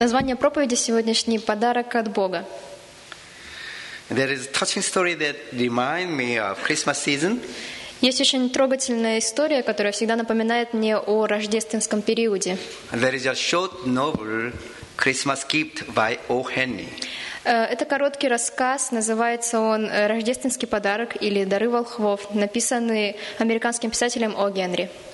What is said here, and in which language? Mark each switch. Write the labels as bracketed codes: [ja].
[ru] Название проповеди сегодняшней – «Подарок от Бога». [en] There is a touching story that reminds me of Christmas season. [ru] Есть очень трогательная история, которая всегда напоминает мне о рождественском периоде. [en] There is a short novel, Christmas Gift by O. Henry. [ru] Это короткий рассказ, называется он «Рождественский подарок» или «Дары волхвов», написанный американским писателем О. Генри.